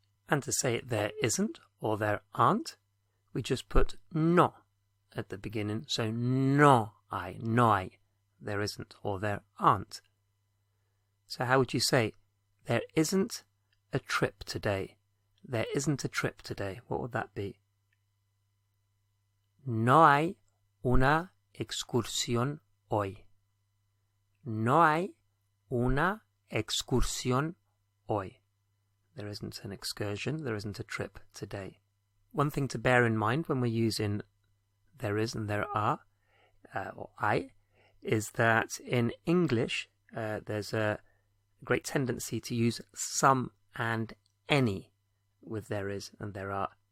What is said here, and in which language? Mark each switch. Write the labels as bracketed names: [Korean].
[English] And to say there isn't or there aren't, we just put no at the beginning. So [Spanish] no hay. No hay. [English] There isn't or there aren't. So how would you say there isn't a trip today? There isn't a trip today. What would that be? [Spanish] No hay una excursión hoy. No hay una excursión hoy. [English] There isn't an excursion, there isn't a trip today. One thing to bear in mind when we're using there is and there are, or hay, is that in English there's a great tendency to use some and any with there is and there are.